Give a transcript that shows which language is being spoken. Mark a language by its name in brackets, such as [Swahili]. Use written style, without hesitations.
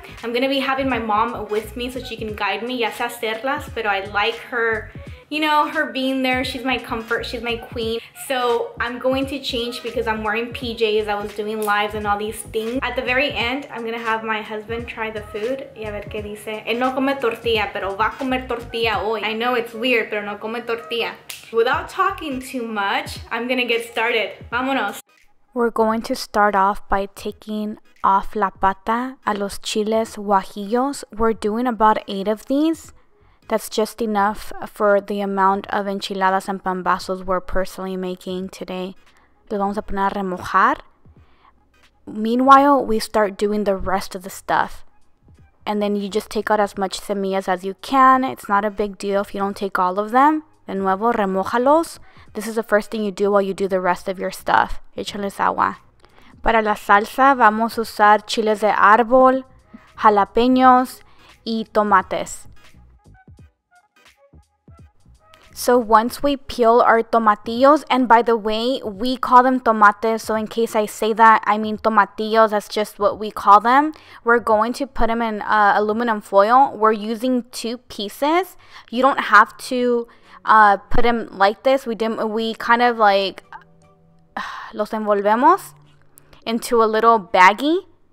[English] I'm gonna be having my mom with me so she can guide me. [Spanish] Ya sé hacerlas, pero [English] I like her. You know, her being there, she's my comfort, she's my queen. So I'm going to change because I'm wearing PJs, I was doing lives and all these things. At the very end, I'm gonna have my husband try the food. [Spanish] Y a ver qué dice. Él no come tortilla, pero va a comer tortilla hoy. [English] I know it's weird, [Spanish] pero no come tortilla. [English] Without talking too much, I'm gonna get started. [Spanish] Vámonos. [English] We're going to start off by taking off [Spanish] la pata a los chiles guajillos. [English] We're doing about 8 of these. That's just enough for the amount of enchiladas and pambazos we're personally making today. [Spanish] Los vamos a poner a remojar. [English] Meanwhile, we start doing the rest of the stuff. And then you just take out as much semillas as you can. It's not a big deal if you don't take all of them. [Spanish] De nuevo, remojalos. [English] This is the first thing you do while you do the rest of your stuff. [Spanish] Échales agua. Para la salsa, vamos a usar chiles de árbol, jalapeños, y tomates. [English] So once we peel our tomatillos, and by the way, we call them tomates, so in case I say that, I mean tomatillos, that's just what we call them. We're going to put them in aluminum foil. We're using 2 pieces. You don't have to put them like this. We kind of like, [Spanish] los envolvemos [English] into a little baggie.